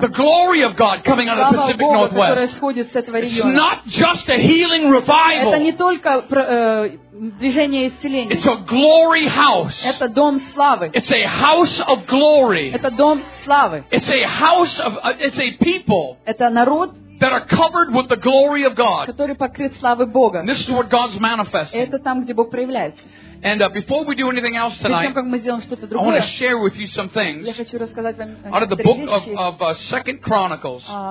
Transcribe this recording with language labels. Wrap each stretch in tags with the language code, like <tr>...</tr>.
<en>The glory of God coming out of the Pacific Northwest.</en> <ru>Происходит с этого региона.</ru> <en>It's not just a healing revival.</en> <ru>Это не только движение исцеления.</ru> <en>It's a glory house.</en> <ru>Это дом славы.</ru> <en>It's a house of glory.</en> <ru>Это дом славы.</ru> <en>It's a house of it's a people.</en> <ru>Это народ.</ru> <en>That are covered with the glory of God.</en> <ru>Который покрыт славой Бога.</ru> <en>And this is what God's manifesting.</en> <ru>Это там, где Бог проявляется.</ru> <en>And before we do anything else tonight, I want to share with you some things out of the book of Second Chronicles.</en>